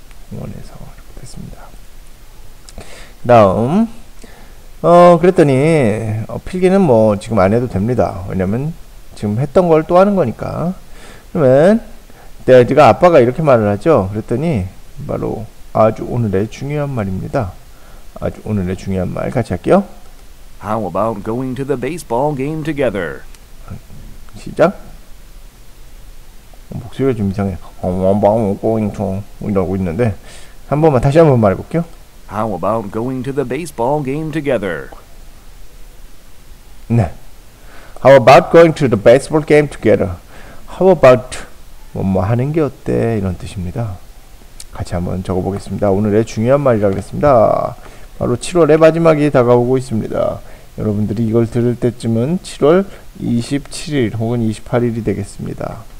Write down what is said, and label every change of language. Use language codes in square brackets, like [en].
[ko] 공원에서 이렇게 됐습니다. 다음 그랬더니 필기는 뭐 지금 안 해도 됩니다. 왜냐면 지금 했던 걸또 하는 거니까. 그러면 내가 아빠가 이렇게 말을 하죠. 그랬더니 바로 아주 오늘의 중요한 말입니다. 아주 오늘의 중요한 말 같이 할게요. [en] How about going to the baseball game together? [ko] 시작. 목소리가 좀 이상해. [en] I'm going to [ko] 이러고 있는데 한 번만 다시 한번 말해볼게요. [en] How about going to the baseball game together? [ko] 네. [en] How about going to the baseball game together? How about [ko] 뭐뭐 하는 게 어때? 이런 뜻입니다. 같이 한번 적어보겠습니다. 오늘의 중요한 말이라고 했습니다. 바로 7월의 마지막이 다가오고 있습니다. 여러분들이 이걸 들을 때쯤은 7월 27일 혹은 28일이 되겠습니다.